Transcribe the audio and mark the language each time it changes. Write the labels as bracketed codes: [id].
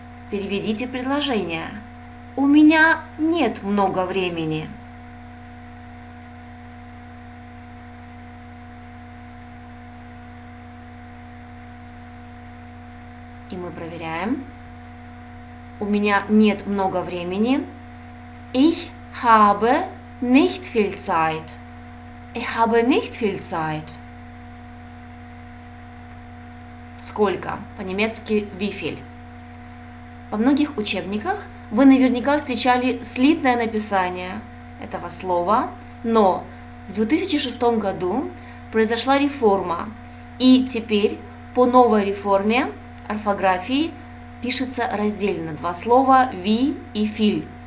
[ru] Переведите предложение. У меня нет много времени. И мы проверяем. У меня нет много времени. [de] Ich habe nicht viel Zeit. Ich habe nicht viel Zeit. [ru] Сколько? По-немецки [de] wie viel? [ru] Во многих учебниках вы наверняка встречали слитное написание этого слова, но в 2006 году произошла реформа, и теперь по новой реформе орфографии пишется раздельно два слова wie и viel.